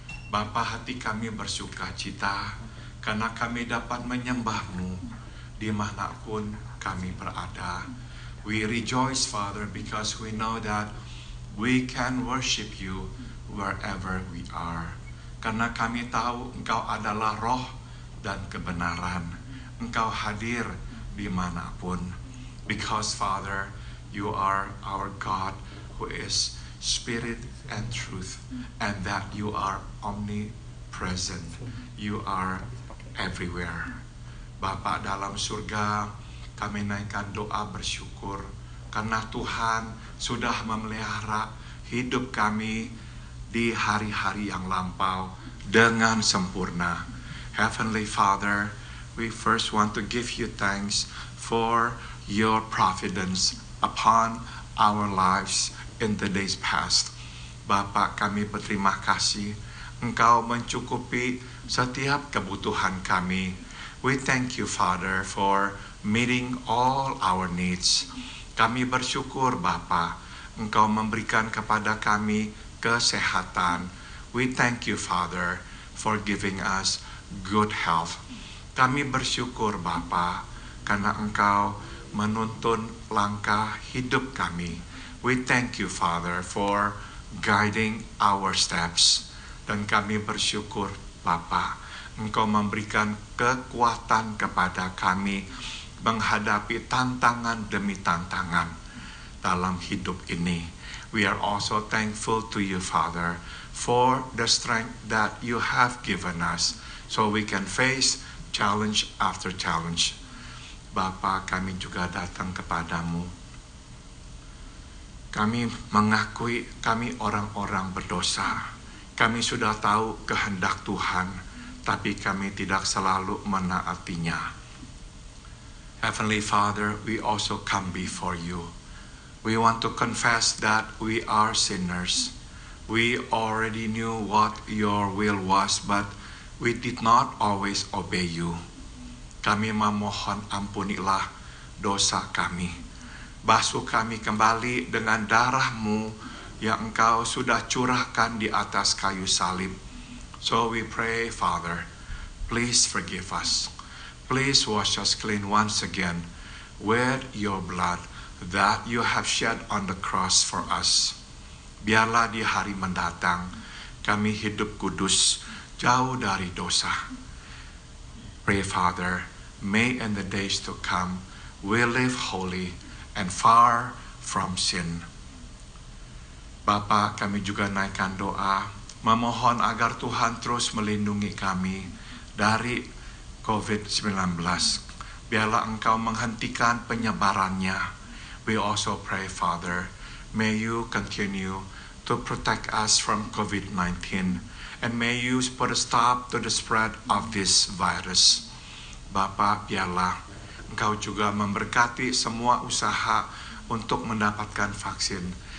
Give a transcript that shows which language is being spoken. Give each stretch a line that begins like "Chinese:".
Indonesian: Bapa, hati kami bersuka cita karena kami dapat menyembah-Mu dimanapun kami berada.
English: We rejoice, Father, because we know that we can worship you wherever we are.
Indonesian: Karena kami tahu Engkau adalah roh dan kebenaran. Engkau hadir dimanapun.
English: Because Father, you are our God who is spirit and truth. And that you are omnipresent. You are everywhere.
Indonesian: Bapa dalam surga, kami naikkan doa bersyukur. Karena Tuhan sudah memelihara hidup kami di hari-hari yang lampau dengan sempurna.
English: Heavenly Father, we first want to give you thanks for your providence upon our lives in the days past.
Indonesian: Bapa, kami berterima kasih Engkau mencukupi setiap kebutuhan kami.
English: We thank you, Father, for meeting all our needs.
Indonesian: Kami bersyukur, Bapa, Engkau memberikan kepada kami kesehatan.
English: We thank you, Father, for giving us good health.
Indonesian: Kami bersyukur, Bapa, karena Engkau menuntun langkah hidup kami.
English: We thank you, Father, for guiding our steps.
Indonesian: Dan kami bersyukur, Bapa, Engkau memberikan kekuatan kepada kami menghadapi tantangan demi tantangan dalam hidup ini.
English: We are also thankful to you, Father, for the strength that you have given us so we can face challenge after challenge.
Indonesian: Bapa, kami juga datang kepadamu. Kami mengakui kami orang-orang berdosa. Kami sudah tahu kehendak Tuhan, tapi kami tidak selalu menaatinya.
English: Heavenly Father, we also come before you. We want to confess that we are sinners. We already knew what your will was, but we did not always obey you.
Indonesian: Kami memohon ampunilah dosa kami. Basuh kami kembali dengan darah-Mu yang Engkau sudah curahkan di atas kayu salib.
English: So we pray, Father, please forgive us. Please wash us clean once again with your blood that you have shed on the cross for us.
Indonesian: Biarlah di hari mendatang kami hidup kudus, jauh dari dosa.
English: Pray, Father, may in the days to come we live holy and far from sin.
Indonesian: Bapa, kami juga naikkan doa, memohon agar Tuhan terus melindungi kami dari COVID-19. Biarlah Engkau menghentikan penyebarannya.
English: We also pray, Father, may you continue to protect us from COVID-19, and may you put a stop to the spread of this virus.
Indonesian: Bapa, biarlah Engkau juga memberkati semua usaha untuk mendapatkan vaksin.